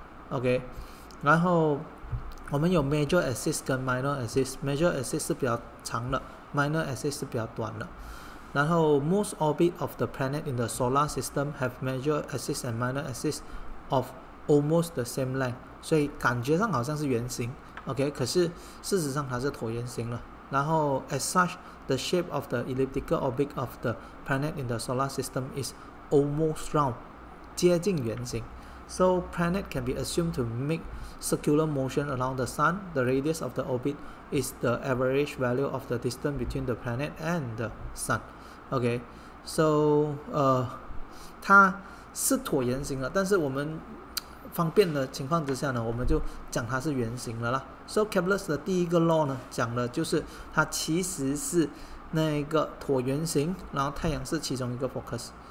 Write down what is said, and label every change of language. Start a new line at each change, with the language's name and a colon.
Chinese: OK， 然后我们有 major axis 跟 minor axis， major axis 是比较长的， minor axis 是比较短的。
English: 然后 most orbit of the planet in the solar system have major axis and minor axis of almost the same length，
Chinese: 所以感觉上好像是圆形。 OK， 可是事实上它是椭圆形了。
English: 然后 as such the shape of the elliptical orbit of the planet in the solar system is almost round，
Chinese: 接近圆形。
English: So planet can be assumed to make circular motion around the sun. The radius of the orbit is the average value of the distance between the planet and the sun.
Chinese: OK， so 它是椭圆形了，但是我们方便的情况之下呢，我们就讲它是圆形了啦。 So Kepler 的第一个 law 呢，讲的就是它其实是那个椭圆形，然后太阳是其中一个 focus。